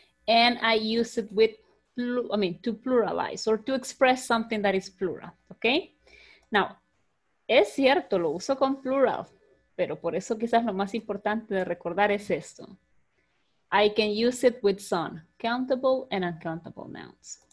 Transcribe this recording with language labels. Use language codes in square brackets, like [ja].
[en] And I use it with, I mean, to pluralize or to express something that is plural. [es] Okay, now, es cierto, lo uso con plural, pero por eso quizás lo más importante de recordar es esto. [en] I can use it with some countable and uncountable nouns.